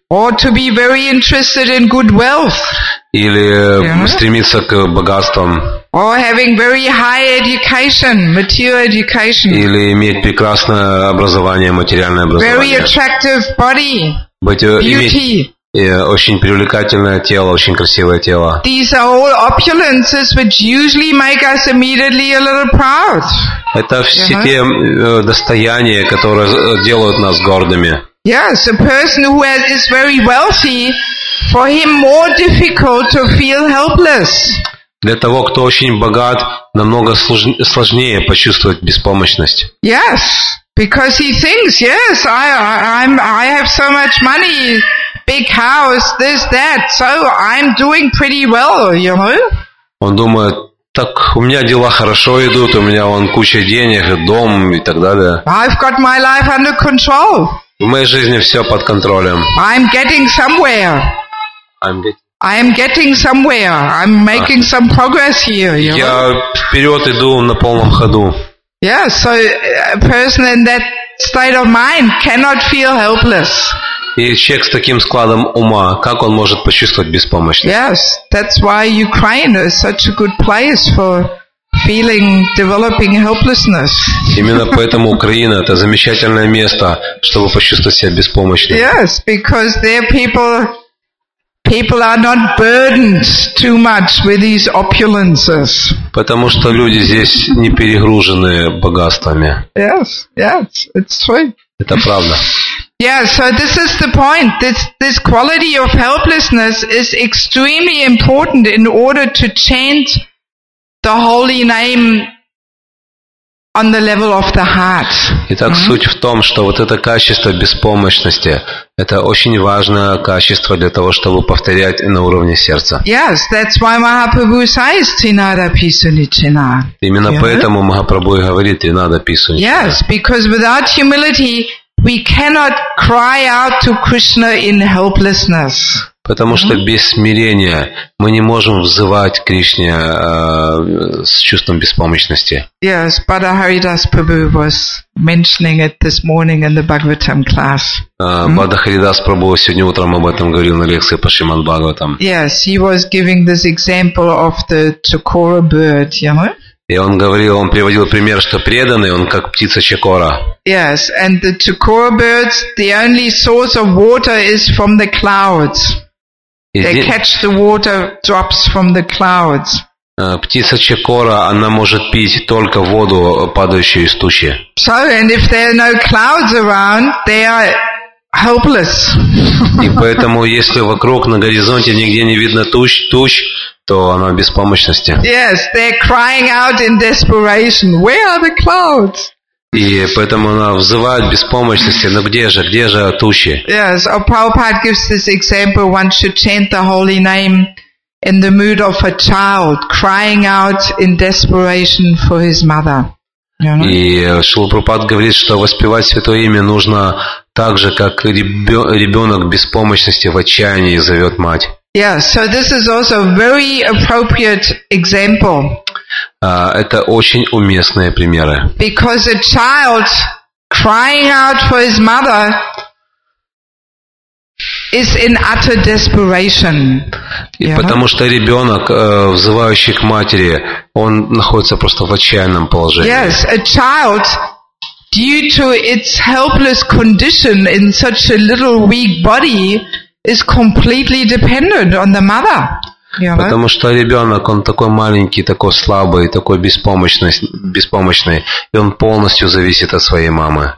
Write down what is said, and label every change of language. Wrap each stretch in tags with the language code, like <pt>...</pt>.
<en>Or to be very interested in good wealth.</en> <ru>Или стремиться к богатствам.</ru> <en>Or having very high education, material education.</en> <ru>Или иметь прекрасное образование, материальное образование.</ru> <en>Very attractive body, beauty.</en> <ru>И очень привлекательное тело, очень красивое тело.</ru> <en>These are all opulences which usually make us immediately a little proud.</en> <ru>Это все те достояния, которые делают нас гордыми.</ru> <en>Yes, a person who is very wealthy, for him more difficult to feel helpless.</en> <ru>Для того, кто очень богат, намного сложнее почувствовать беспомощность.</ru> <en>Yes, because he thinks, yes, I have so much money. Big house, this, that. So I'm doing pretty well, you know?</en> <ru>Он думает, так у меня дела хорошо идут, у меня вон куча денег, дом и так далее.</ru> <en>I've got my life under control.</en> <ru>В моей жизни все под контролем.</ru> <en>I'm getting somewhere. I'm making some progress here, you</en> <ru>я</ru> <en>know?</en> <ru>Вперед иду на полном ходу.</ru> <en>Yeah, so a person in that state of mind cannot feel helpless.</en> <ru>И человек с таким складом ума, как он может почувствовать беспомощность?</ru> <en>Yes, that's why Ukraine is such a good place for feeling, developing helplessness.</en> <ru>Именно поэтому Украина это замечательное место, чтобы почувствовать себя беспомощным.</ru> <en>Yes, because there people are not burdened too much with these opulences.</en> <ru>Потому что люди здесь не перегружены богатствами.</ru> <en>Yes, yes, it's true.</en> <ru>Это правда.</ru> <en>Yeah, so this is the point. This quality of helplessness is extremely important in order to chant the holy name on the level of the heart.</en> <ru>Итак, суть в том, что вот это качество беспомощности – это очень важное качество для того, чтобы повторять на уровне сердца.</ru> <en>Yes, that's why Mahaprabhu says Trinada Pisuni Chena.</en> <ru>Именно поэтому Махапрабху говорит Тринада Писуни Чина.</ru> <en>Yes, because without humility, we cannot cry out to Krishna in helplessness.</en> <ru>Потому что без смирения мы не можем взывать Кришне с чувством беспомощности.</ru> <en>Yes, Bada Haridas Prabhu was mentioning it this morning in the Bhagavatam class.</en> <ru>Bada Haridas Prabhu сегодня утром об этом говорил на лекции по Шримад Бхагаватам.</ru> <en>Yes, he was giving this example of the Chakora bird, you know?</en> <ru>И он говорил, он приводил пример, что преданный, он как птица чакора.</ru> <en>Yes, and the chakora birds, the only source of water is from the clouds. They catch the water drops from the clouds.</en> <ru>Птица чакора, она может пить только воду, падающую из тучи.</ru> <en>So, and if there are no clouds around, they are helpless.</en> <ru>И поэтому, если вокруг на горизонте нигде не видно туч, то оно в беспомощности.</ru> <en>Yes, they're crying out in desperation. Where are the clouds?</en> <ru>И поэтому она взывает беспомощности. Но где же тучи?</ru> <en>Yes, or Prabhupada gives this example. One should chant the holy name in the mood of a child crying out in desperation for his mother.</en> <ru>И Шрила Прабхупада говорит, что воспевать святое имя нужно так же, как ребенок беспомощности в отчаянии зовет мать.</ru> <en>Yeah, so this is also a very appropriate example.</en> <ru>Это очень уместные примеры.</ru> <en>Because a child crying out for his mother is in utter desperation.</en> <ru>Потому что ребенок, взывающий к матери, он находится просто в отчаянном положении.</ru> <en>Yes, a child, due to its helpless condition in such a little weak body, is completely dependent on the mother.</en> <ru>Потому что ребенок, он такой маленький, такой слабый, такой беспомощный, и он полностью зависит от своей мамы.</ru>